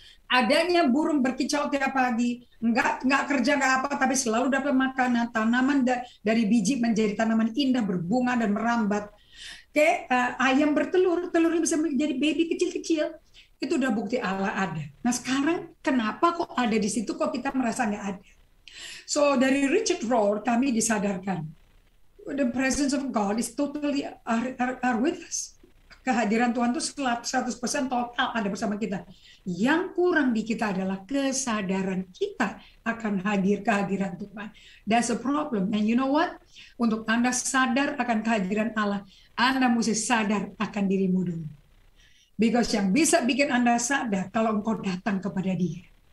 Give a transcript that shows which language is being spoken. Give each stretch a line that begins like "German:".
Indonesian: Adanya burung berkicau tiap pagi, enggak kerja, enggak apa, tapi selalu dapat makanan, tanaman dari biji menjadi tanaman indah, berbunga dan merambat. Ayam bertelur, telurnya bisa menjadi baby kecil-kecil. Itu udah bukti Allah ada. Nah sekarang, kenapa kok ada di situ, kok kita merasa enggak ada?
English: So,
Indonesian: dari Richard Rohr, kami disadarkan,
English: the presence of God is totally are with us.
Indonesian: Kehadiran Tuhan itu 100% total ada bersama kita. Yang kurang di kita adalah kesadaran kita akan hadir kehadiran Tuhan.
English: That's a problem. And you know what?
Indonesian: Untuk Anda sadar akan kehadiran Allah, Anda mesti sadar akan dirimu dulu.
English: Because
Indonesian: yang bisa bikin Anda sadar kalau engkau datang kepada Dia.